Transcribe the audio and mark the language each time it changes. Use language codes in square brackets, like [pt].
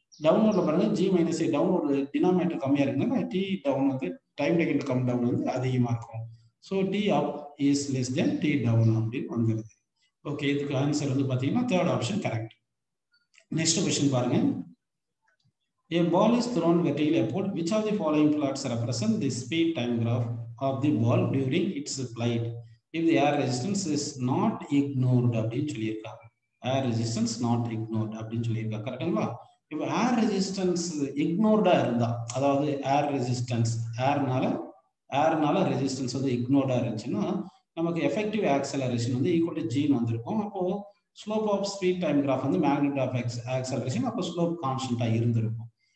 [ta] டவுன்வோர்டில் பாருங்கள் G minus ஏ downward denominator கம்மியாக இருக்குனால T down வந்து டைம் டேக்கன் கம் டவுன் வந்து அதிகமாக இருக்கும். [en] so D up is less than D down [ta] அப்படின்னு வந்துடுது, [en] Okay. [ta] இதுக்கு ஆன்சர் வந்து பார்த்தீங்கன்னா third option correct. [en] next question [ta] பாருங்கள். [en] A ball is thrown vertically upward. Which of the following plots represent the speed time graph of the ball during its flight if the air resistance is not ignored? [ta] அப்படின்னு சொல்லியிருக்காங்க. [en] Air resistance not ignored [ta] அப்படின்னு சொல்லியிருக்காங்க, கரெக்டுங்களா? இப்போ ஏர் resistance இக்னோர்டாக இருந்தால், அதாவது ஏர் resistance ஏர்னால ஏர்னால resistance வந்து இக்னோர்டா இருந்துச்சுன்னா நமக்கு எஃபெக்டிவ் ஆக்சலரேஷன் வந்து ஈக்குவல் டு ஜீன் வந்திருக்கும். அப்போ slope of speed time graph வந்து மேக்னெட் ஆஃப் ஆக்சலரேஷன், அப்போ ஸ்லோப் கான்ஸ்டன்டா இருந்திருக்கும்.